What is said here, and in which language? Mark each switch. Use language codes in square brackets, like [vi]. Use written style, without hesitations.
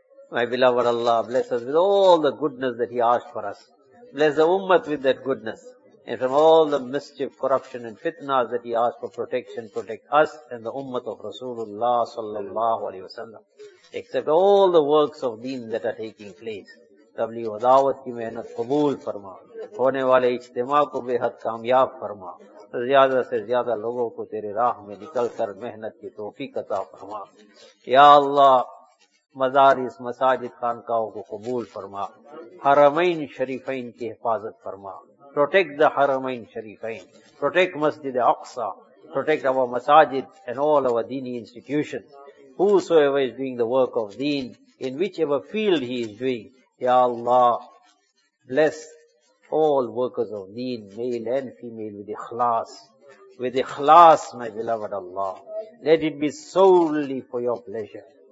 [en] My beloved Allah, bless us with all the goodness that he asked for us. Bless the ummah with that goodness. And from all the mischief, corruption and fitnas that he asked for protection, protect us and the ummah of Rasulullah sallallahu alayhi wa sallam. Except all the works of deen that are taking place. [ur] تبلیغ و دعوت کی محنت قبول فرما, ہونے والے اجتماع کو بے حد کامیاب فرما, زیادہ سے زیادہ لوگوں کو تیرے راہ میں نکل کر محنت کی توفیق عطا فرما. یا اللہ, مزارس مساجد خانقاہوں کو قبول فرما, حرمین شریفین کی حفاظت فرما, [en] Protect the حرمین شریفین, protect مسجد اقصا, پروٹیکٹ اور مساجد اینڈ آل اور دینی institution. Whosoever is doing the work of deen in whichever field he is doing, Ya Allah, bless all workers of deen, male and female, with ikhlas. With ikhlas, my beloved Allah. Let it be solely for your pleasure.